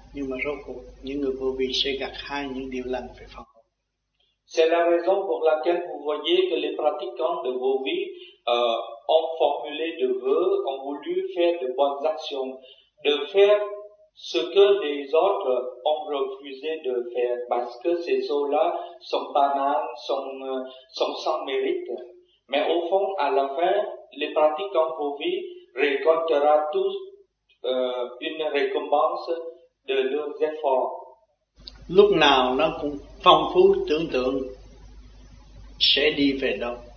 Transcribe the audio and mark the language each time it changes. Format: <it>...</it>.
<vi>Nhưng mà rốt cuộc những người vô vi sẽ gặt hái những điều lành phải không?</vi> <fr>C'est la raison pour laquelle vous voyez que les pratiquants de vos vies ont formulé de vœux, ont voulu faire de bonnes actions, de faire ce que les autres ont refusé de faire, parce que ces choses-là sont banales, sont sans mérite. Mais au fond, à la fin, les pratiquants de vos vies récoltera tous une récompense de leurs efforts.</fr> <vi>Lúc nào nó cũng phong phú tưởng tượng sẽ đi về đâu.</vi>